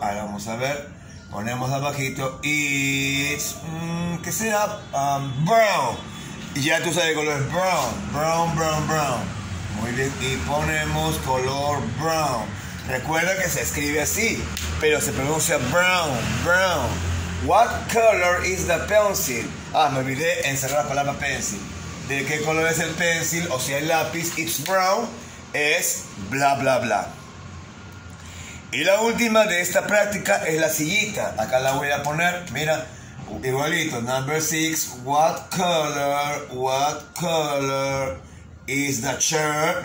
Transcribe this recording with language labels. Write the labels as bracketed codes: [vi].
[es] Ahora vamos a ver. Ponemos abajito, it's, que sea, brown. Ya tú sabes el color, brown. Muy bien, y ponemos color brown. Recuerda que se escribe así, pero se pronuncia brown. [en] What color is the pencil? [es] Ah, me olvidé encerrar la palabra pencil. ¿De qué color es el pencil? O sea, el lápiz, [en] it's brown, [es] es bla, bla, bla. Y la última de esta práctica es la sillita. Acá la voy a poner, mira, igualito. [en] Number 6, what color is the chair?